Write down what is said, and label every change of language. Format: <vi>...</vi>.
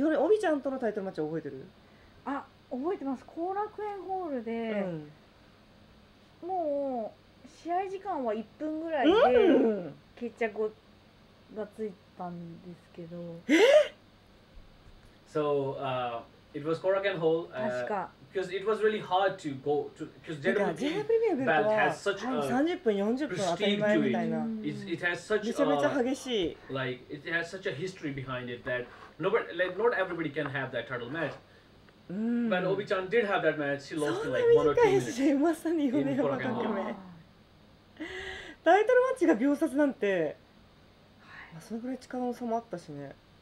<ja>ヨネ、オビちゃんとのタイトルマッチ覚えてる？あ、覚えてます。後楽園ホールで、うん、もう試合時間は1分ぐらいで決着がついたんですけど、</ja> <en>So it was Korakuen Hall.</en> <ja>確か。</ja> <en>Because it was really hard to go to because JWP belt has such a</en> <ja>30分40分当たり前みたいな。</ja> <en>It has such</en> <ja>めちゃめちゃ激しい。</ja> <en>Like it has such a history behind it that nobody, like not everybody can have that title match. But Obi-chan did have that match. She lost in like one or two minutes.</en> <ja>そんな短いし、まさに米山かけ目。タイトルマッチが秒殺なんて、まあ、そのぐらい力の差もあったしね。</ja>